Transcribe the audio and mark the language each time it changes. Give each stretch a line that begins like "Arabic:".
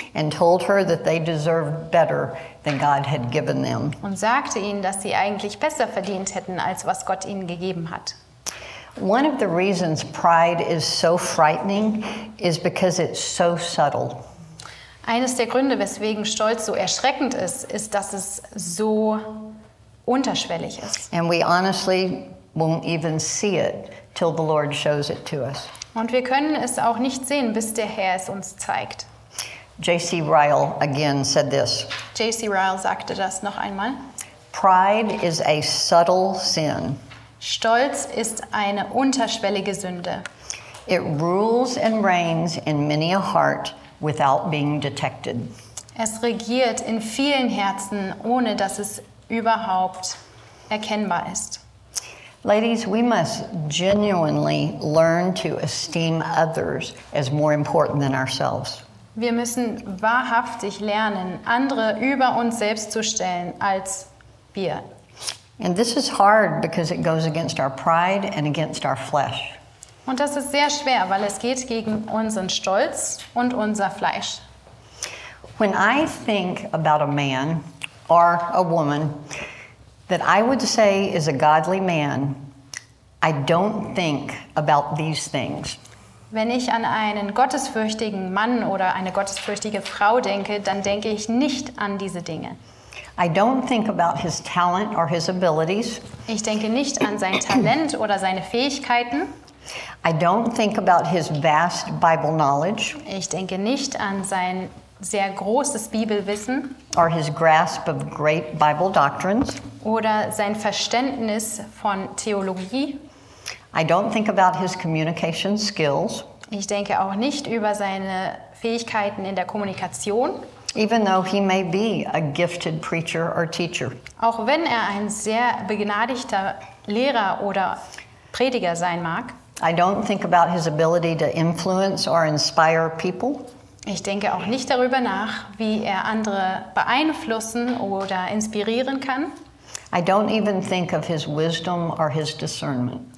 English: And told her that they deserved better than God had given them.
German: Und sagte ihnen, dass sie eigentlich besser verdient hätten, als was Gott ihnen gegeben hat.
English: One of the reasons pride is so frightening is because it's so subtle.
German: Eines der Gründe, weswegen Stolz so erschreckend ist, ist, dass es so unterschwellig ist.
English: And we honestly won't even see it till the Lord shows it to us.
German: Und wir können es auch nicht sehen, bis der Herr es uns zeigt.
English: J.C. Ryle again said this.
German: J.C. Ryle sagte das noch einmal.
English: Pride is a subtle sin.
German: Stolz ist eine unterschwellige Sünde.
English: It rules and reigns in many a heart without being detected.
German: Es regiert in vielen Herzen, ohne dass es überhaupt erkennbar ist.
English: Ladies, we must genuinely learn to esteem others as more important than ourselves.
German: Wir müssen wahrhaftig lernen, andere über uns selbst zu stellen als wir.
English: And this is hard because it goes against our pride and against our flesh.
German: Und das ist sehr schwer, weil es geht gegen unseren Stolz und unser Fleisch.
English: When I think about a man or a woman that I would say is a godly man, I don't think about these things.
German: Wenn ich an einen gottesfürchtigen Mann oder eine gottesfürchtige Frau denke, dann denke ich nicht an diese Dinge.
English: I don't think about his talent or his abilities.
German: Ich denke nicht an sein Talent oder seine Fähigkeiten.
English: I don't think about his vast Bible knowledge.
German: Ich denke nicht an sein sehr großes Bibelwissen.
English: Or his grasp of great Bible doctrines.
German: Oder sein Verständnis von Theologie.
English: I don't think about his communication skills.
German: Ich denke auch nicht über seine Fähigkeiten in der Kommunikation.
English: Even though he may be a gifted preacher or teacher.
German: Auch wenn er ein sehr begnadigter Lehrer oder Prediger sein mag.
English: I don't think about his ability to influence or inspire people.
German: Ich denke auch nicht darüber nach, wie er andere beeinflussen oder inspirieren kann.
English: I don't even think of his wisdom or his discernment.